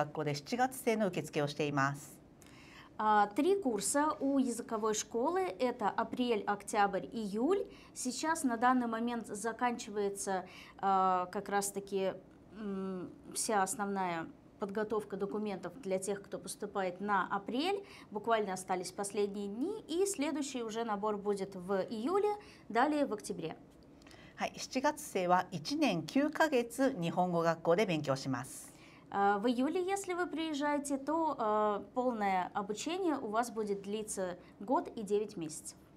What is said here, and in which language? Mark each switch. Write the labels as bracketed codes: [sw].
[ja] 1つ一番今から早い入学受付ができるのが7月生、東京明星という学校で7月生の受付をしています。 [ru] Три курса у языковой школы – это апрель, октябрь, июль. Сейчас на данный момент заканчивается как раз-таки вся основная подготовка документов для тех, кто поступает на апрель. Буквально остались последние дни, и следующий уже набор будет в июле, далее в октябре. [ja] はい、7月生は1年9ヶ月日本語学校で勉強します。 [ru] В июле, если вы приезжаете, то полное обучение у вас будет длиться год и 9 месяцев.